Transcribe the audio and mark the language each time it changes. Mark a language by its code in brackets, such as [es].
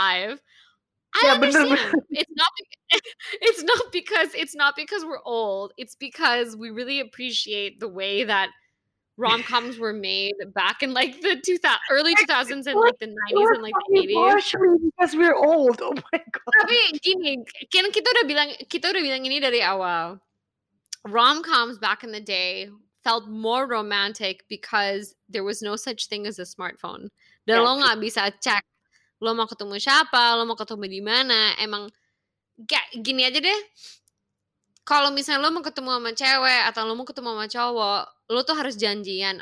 [en] Yeah, I understand. Bener. It's not because we're old. It's because we really appreciate the way that rom-coms were made back in like the early 2000s and like the 90s and like the 80s. Because we're old. Oh my god. [id] Tapi gini, kan kita udah bilang ini dari awal. [en] Rom-coms back in the day felt more romantic because there was no such thing as a smartphone. [id] Dan lo gak bisa cek lo mau ketemu siapa, lo mau ketemu di mana. Emang gini aja deh. Kalau misalnya lo mau ketemu sama cewek atau lo mau ketemu sama cowok, lo tuh harus janjian.